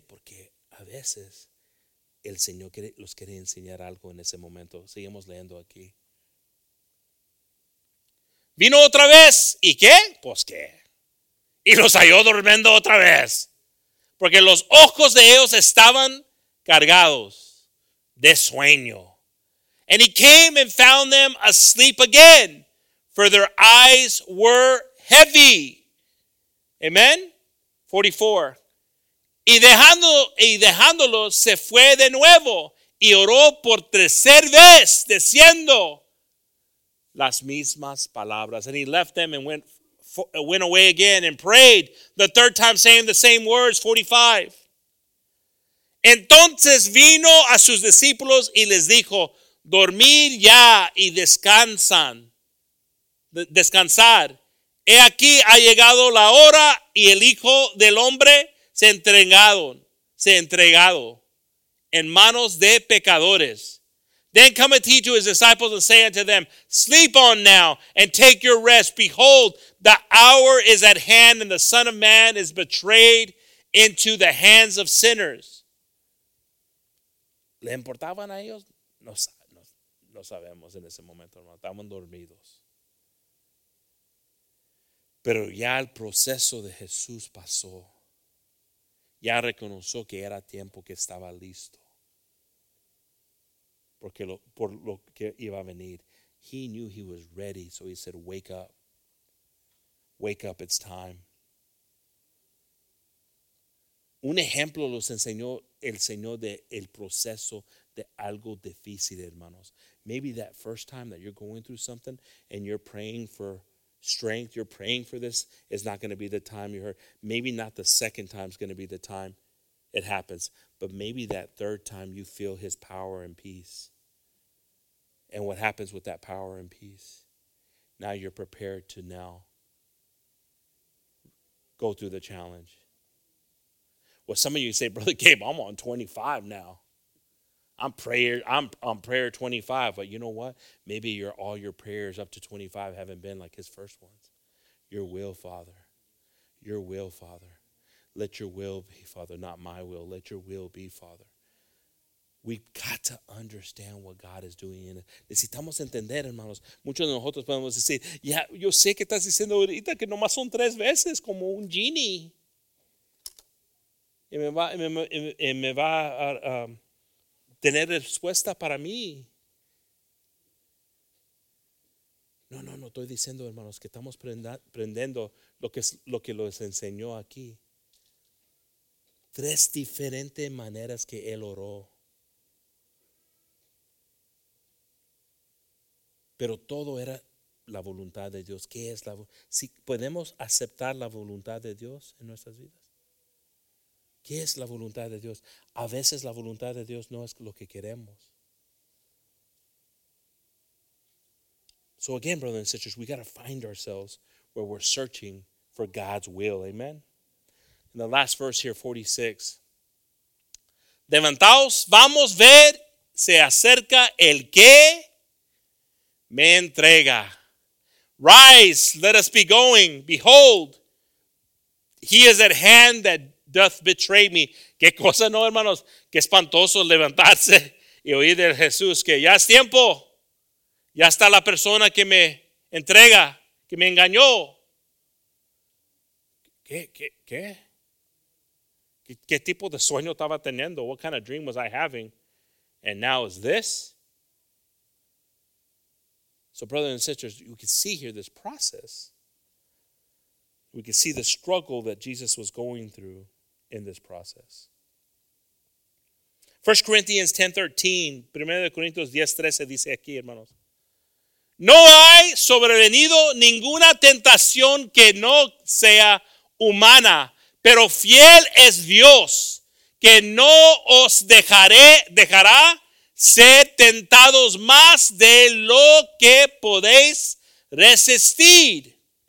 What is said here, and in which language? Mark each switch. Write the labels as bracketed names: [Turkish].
[Spanish] Porque a veces el Señor los quiere enseñar algo en ese momento. Seguimos leyendo aquí. Vino otra vez. ¿Y qué? Pues qué. Y los halló durmiendo otra vez. Porque los ojos de ellos estaban cargados de sueño. [English] And he came and found them asleep again, for their eyes were heavy. Amen. 44. [Spanish] Y dejándolos se fue de nuevo y oró por tercera vez, diciendo las mismas palabras. [English] And he left them and went away again and prayed the third time, saying the same words. 45. [Spanish] Entonces vino a sus discípulos y les dijo, dormir ya y descansar. He aquí ha llegado la hora y el Hijo del Hombre se entregado en manos de pecadores. [English] Then cometh he to his disciples and say unto them, sleep on now and take your rest. Behold, the hour is at hand, and the Son of Man is betrayed into the hands of sinners. [Spanish] ¿Le importaban a ellos? No sabemos en ese momento, hermano. Estaban dormidos. Pero ya el proceso de Jesús pasó. Ya reconoció que era tiempo, que estaba listo. Porque por lo que iba a venir. [English] He knew he was ready. So he said, wake up. Wake up, it's time. [Spanish] Un ejemplo los enseñó el Señor de el proceso de algo difícil, hermanos. [English] Maybe that first time that you're going through something and you're praying for strength, you're praying for this, is not going to be the time you heard. Maybe not the second time is going to be the time it happens. But maybe that third time you feel his power and peace. And what happens with that power and peace? Now you're prepared to now go through the challenge. Well, some of you say, Brother Gabe, I'm on 25 now. I'm on prayer 25. But you know what? Maybe all your prayers up to 25 haven't been like his first ones. Your will, Father. Your will, Father. Let your will be, Father, not my will. Let your will be, Father. We've got to understand what God is doing in it. [Spanish] Necesitamos entender, hermanos. Muchos de nosotros podemos decir, ya, yo sé que estás diciendo ahorita que nomás son tres veces como un genie. Y me va a tener respuesta para mí. No estoy diciendo, hermanos, que estamos aprendiendo lo que les enseñó aquí. Tres diferentes maneras que él oró. Pero todo era la voluntad de Dios. ¿Qué es la voluntad? Si podemos aceptar la voluntad de Dios en nuestras vidas. ¿Qué es la voluntad de Dios? A veces la voluntad de Dios no es lo que queremos. [English] So again, brothers and sisters, we got to find ourselves where we're searching for God's will. Amen. In the last verse here, 46. [Spanish] Levantaos, vamos a ver, se acerca el que me entrega. [English] Rise, let us be going. Behold, he is at hand that doth betray me. [Spanish] Qué cosa, no, hermanos. Qué espantoso levantarse y oír de Jesús que ya es tiempo. Ya está la persona que me entrega, que me engañó. ¿Qué? ¿Qué tipo de sueño estaba teniendo? [English] What kind of dream was I having? And now is this? So, brothers and sisters, you can see here this process. We can see the struggle that Jesus was going through in this process. [Spanish] 1 Corinthians 10:13, 1 Corinthians 10:13 dice aquí, hermanos, no hay sobrevenido ninguna tentación que no sea humana, pero fiel es Dios, que no os dejará ser tentados más de lo que podéis resistir,